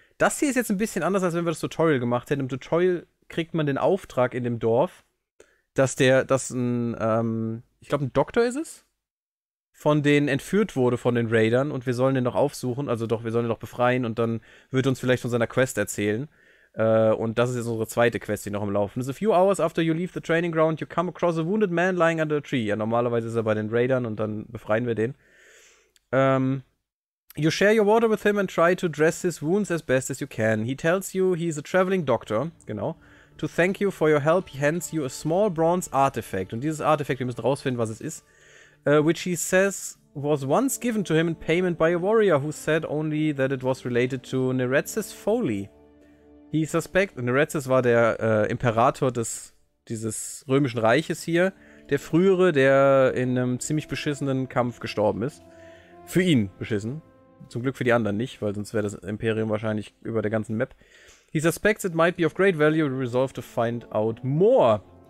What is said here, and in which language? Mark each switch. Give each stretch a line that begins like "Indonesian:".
German: Das hier ist jetzt ein bisschen anders, als wenn wir das Tutorial gemacht hätten. Im Tutorial kriegt man den Auftrag in dem Dorf, dass ein, ich glaube, ein Doktor ist es, von denen entführt wurde von den Raidern und wir sollen den noch aufsuchen, also doch, wir sollen den noch befreien und dann wird uns vielleicht von seiner Quest erzählen. Und das ist jetzt unsere zweite Quest, die noch im Laufen ist.
English: A few hours after you leave the training ground, you come across a wounded man lying under a tree.
German: Ja, normalerweise ist er bei den Raidern und dann befreien wir den.
English: You share your water with him and try to dress his wounds as best as you can. He tells you he's a traveling doctor. Genau. To thank you for your help, he hands you a small bronze artifact.
German: Und dieses Artifact, wir müssen rausfinden, was es ist.
English: Which he says was once given to him in payment by a warrior who said only that it was related to Nereztis Foley. He suspects,
German: Nereztis war der Imperator dieses römischen Reiches hier, der frühere, der in einem ziemlich beschissenen Kampf gestorben ist. Für ihn beschissen. Zum Glück für die anderen nicht, weil sonst wäre das Imperium wahrscheinlich über der ganzen Map.
English: He suspects it might be of great value. We resolve to find out more.